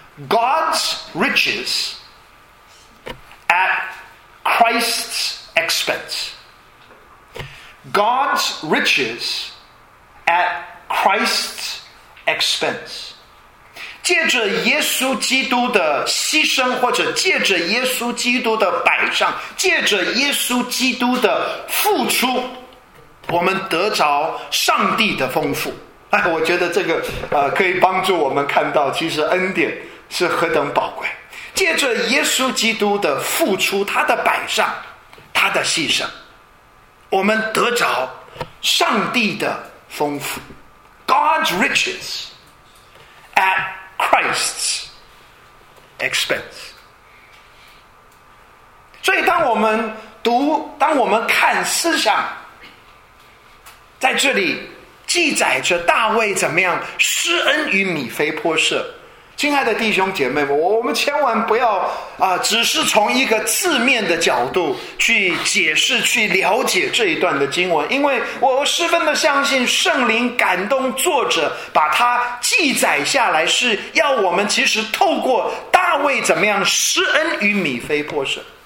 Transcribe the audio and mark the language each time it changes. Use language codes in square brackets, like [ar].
[en] God's riches at Christ's expense. God's riches at Christ's expense. [zh] 借着耶稣基督的牺牲，或者借着耶稣基督的摆上，借着耶稣基督的付出，我们得着上帝的丰富。哎，我觉得这个可以帮助我们看到，其实恩典是何等宝贵。借着耶稣基督的付出，他的摆上，他的牺牲，我们得着上帝的丰富。 [en] God's riches at Christ's expense。 [zh] 所以当我们读，当我们看思想，在这里记载着大卫怎么样施恩于米非波设。亲爱的弟兄姐妹们，我们千万不要只是从一个字面的角度去解释去了解这一段的经文，因为我十分的相信圣灵感动作者把它记载下来，是要我们其实透过大卫怎么样施恩于米非波设，